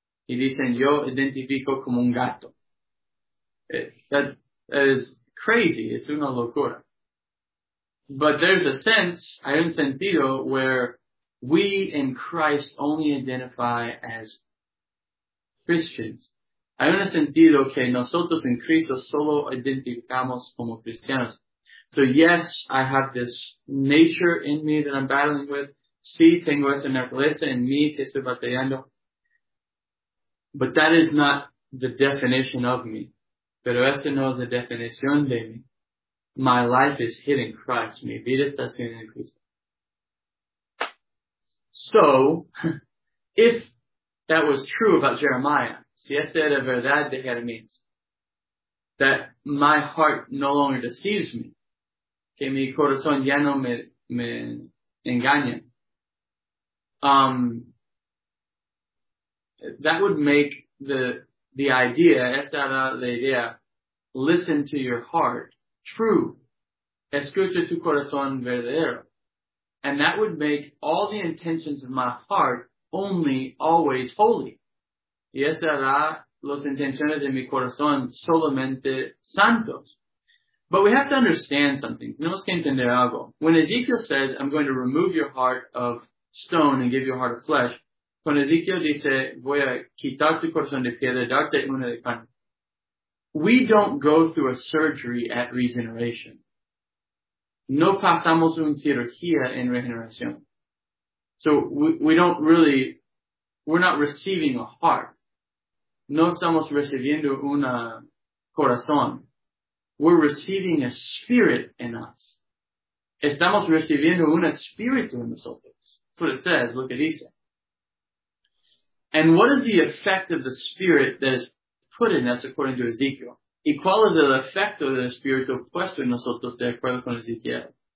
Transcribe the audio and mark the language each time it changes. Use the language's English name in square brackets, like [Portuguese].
[Spanish] y dicen, yo identifico como un gato. [English] That is crazy. [Spanish] Es una locura. [English] But there's a sense, [Spanish] hay un sentido, [English] where we in Christ only identify as Christians. [Spanish] Hay un sentido que nosotros en Cristo solo identificamos como cristianos. [English] So yes, I have this nature in me that I'm battling with. [Spanish] Sí, tengo esa naturaleza en mí que estoy batallando. [English] But that is not the definition of me. [Spanish] Pero esa no es la definición de mí. [English] My life is hidden in Christ. [Spanish] Mi vida está siendo en Cristo. [English] So, if that was true about Jeremiah, [Spanish] si esta era verdad de Jeremías, [English] that my heart no longer deceives me, [Spanish] que mi corazón ya no me engaña, [English] that would make the idea, [Spanish] esta era la idea, [English] listen to your heart, true. [Spanish] Escucha tu corazón verdadero. [English] And that would make all the intentions of my heart only always holy. [Spanish] Y esa era las intenciones de mi corazón solamente santos. [English] But we have to understand something. [Spanish] Tenemos que entender algo. [English] When Ezekiel says, I'm going to remove your heart of stone and give you a heart of flesh, [Spanish] cuando Ezekiel dice, voy a quitar tu corazón de piedra, darte una de carne, [English] we don't go through a surgery at regeneration. [Spanish] No pasamos una cirugía en regeneración. [English] So we're not receiving a heart. [Spanish] No estamos recibiendo un corazón. [English] We're receiving a spirit in us. [Spanish] Estamos recibiendo un espíritu en nosotros. [English] That's what it says. Look at Isa. And what is the effect of the spirit that is put in us according to Ezekiel? [Spanish] ¿Y cuál es el efecto del Espíritu puesto en nosotros de acuerdo con Ezequiel?